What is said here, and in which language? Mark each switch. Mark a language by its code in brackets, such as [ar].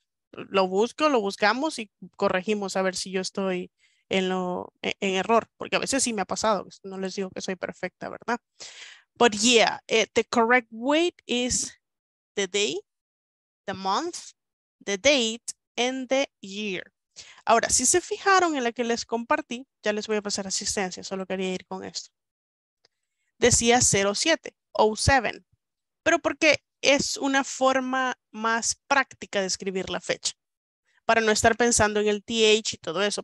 [es] Lo busco, lo buscamos y corregimos a ver si yo estoy en error, porque a veces sí me ha pasado, no les digo que soy perfecta, ¿verdad? [en] But yeah, the correct way is the day, the month, the date, and the year. [es] Ahora, si se fijaron en la que les compartí, ya les voy a pasar asistencia, solo quería ir con esto. Decía 07, 07, pero porque es una forma más práctica de escribir la fecha, para no estar pensando en el TH y todo eso.